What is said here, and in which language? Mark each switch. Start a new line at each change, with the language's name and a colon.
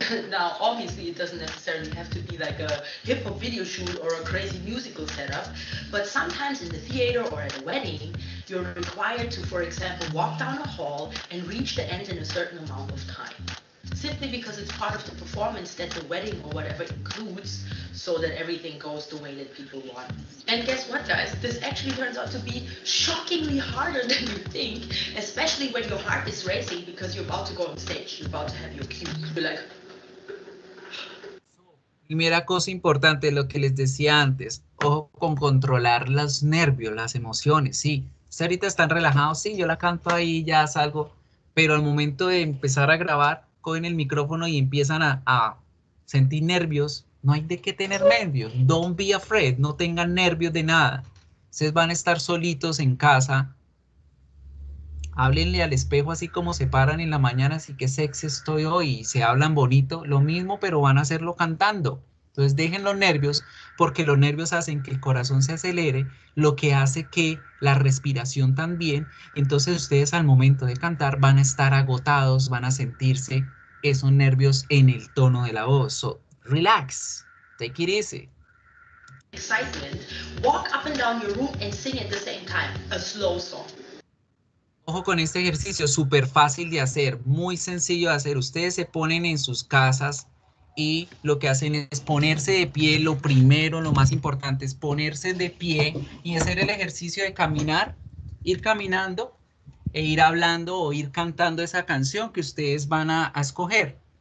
English: Now, obviously, it doesn't necessarily have to be like a hip-hop video shoot or a crazy musical setup, but sometimes in the theater or at a wedding, you're required to, for example, walk down a hall and reach the end in a certain amount of time, simply because it's part of the performance that the wedding or whatever includes, so that everything goes the way that people want. And guess what, guys? This actually turns out to be shockingly harder than you think, especially when your heart is racing because you're about to go on stage, you're about to have your cue. You're like,
Spanish: primera cosa importante, lo que les decía antes, ojo con controlar los nervios, las emociones, sí. Ustedes ahorita están relajados, sí, yo la canto ahí, ya salgo, pero al momento de empezar a grabar, cogen el micrófono y empiezan a sentir nervios, no hay de qué tener nervios,
English: don't be afraid,
Spanish: no tengan nervios de nada. Ustedes van a estar solitos en casa, háblenle al espejo así como se paran en la mañana, así que sexy estoy hoy, se hablan bonito, lo mismo, pero van a hacerlo cantando. Entonces dejen los nervios, porque los nervios hacen que el corazón se acelere, lo que hace que la respiración también. Entonces ustedes al momento de cantar van a estar agotados, van a sentirse esos nervios en el tono de la voz.
English: So, relax, take it easy. Excitement, walk up and down your room and sing at the same time, a slow song.
Spanish: Ojo con este ejercicio, súper fácil de hacer, muy sencillo de hacer. Ustedes se ponen en sus casas y lo que hacen es ponerse de pie. Lo primero, lo más importante es ponerse de pie y hacer el ejercicio de caminar, ir caminando e ir hablando o ir cantando esa canción que ustedes van a escoger.